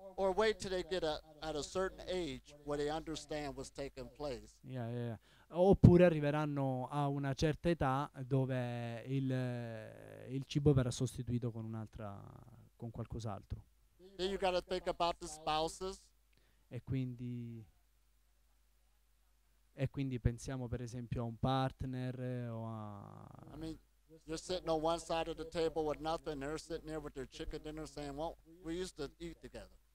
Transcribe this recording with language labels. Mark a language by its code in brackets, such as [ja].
[en] Or wait till they get at a certain age where they understand what's taking place. Yeah, yeah, yeah. [it] Oppure arriveranno a una certa età dove il cibo verrà sostituito con un'altra, con qualcos'altro. [en] Then you gotta think about the spouses. [it] E quindi pensiamo per esempio a un partner o a. [en] I mean, you're sitting on one side of the table with nothing, they're sitting there with their chicken dinner saying, well, we used to eat together.